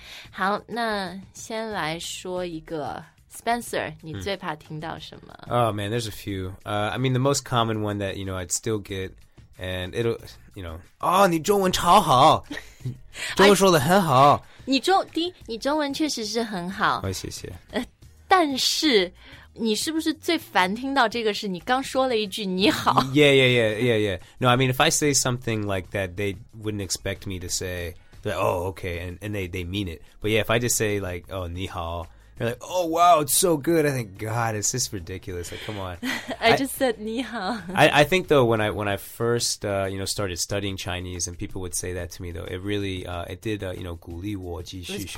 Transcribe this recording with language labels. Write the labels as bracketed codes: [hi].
[zh] 好那先来说一个 Spencer, 你最怕听到什么 [en] Oh man, there's a few. I mean, the most common one that, you know, I'd still get, and it'll, you know, [zh] 你中文超好中文说得很好你中文确实是很好、谢谢。但是你是不是最烦听到这个是你刚说了一句你好 [en] Yeah. No, I mean, if I say something like that, they wouldn't expect me to say, like, oh, okay, and they mean it. But yeah, if I just say like, oh, [zh] 你好, [en] they're like, oh, wow, it's so good. I think, God, is this ridiculous? Like, come on. I just said [zh] 你好. [en] I think, though, when I first, you know, started studying Chinese and people would say that to me, though, it really, it did, you know, [zh] 鼓励我继续学习